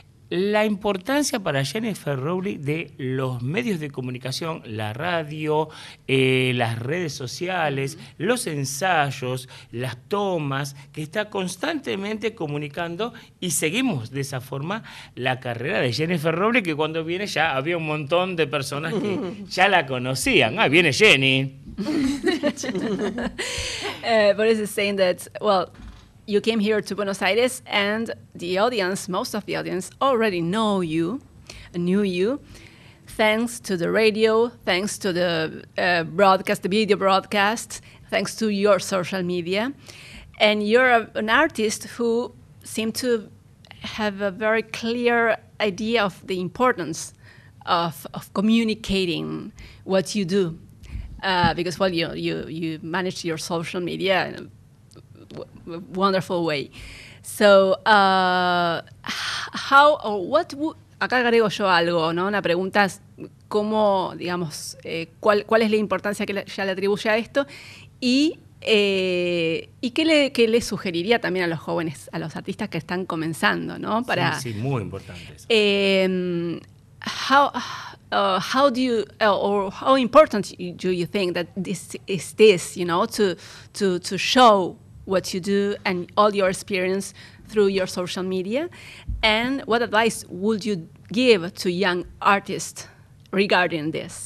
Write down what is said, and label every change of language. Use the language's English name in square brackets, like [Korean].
[Spanish] La importancia para Jennifer Rowley de los medios de comunicación, la radio, las redes sociales, los ensayos, las tomas, que está constantemente comunicando y seguimos de esa forma la carrera de Jennifer Rowley, que cuando viene ya había un montón de personas que ya la conocían. ¡Ah, viene Jenny! [English] But it's saying that, well, you came here to Buenos Aires and the audience, most of the audience, already know you, knew you, thanks to the radio, thanks to the broadcast, the video broadcast, thanks to your social media. And you're an artist who seemed to have a very clear idea of the importance of communicating what you do. Because, well, you manage your social media in a wonderful way. So, how or what would, [Spanish] acá agrego yo algo, ¿no? Una pregunta es cómo, digamos, cuál es la importancia que ya le atribuye a esto y qué le sugeriría también a los jóvenes, a los artistas que están comenzando, ¿no? Para, sí, muy importante. [English] How How do you or how important do you think that this is, this, you know, to show what you do and all your experience through your social media? And what advice would you give to young artists regarding this?